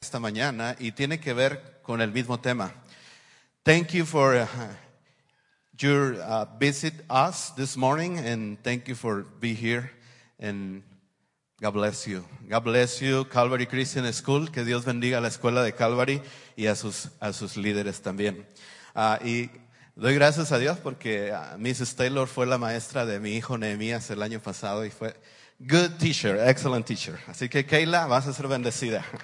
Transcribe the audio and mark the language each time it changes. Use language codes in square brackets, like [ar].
[es] esta mañana y tiene que ver con el mismo tema. [en] Thank you for your visit us this morning, and thank you for being here, and God bless you. God bless you, Calvary Christian School. [es] Que Dios bendiga a la escuela de Calvary y a sus líderes también. Y doy gracias a Dios porque Mrs. Taylor fue la maestra de mi hijo Nehemías el año pasado y fue [en] good teacher, excellent teacher. [es] Así que Kayla, vas a ser bendecida.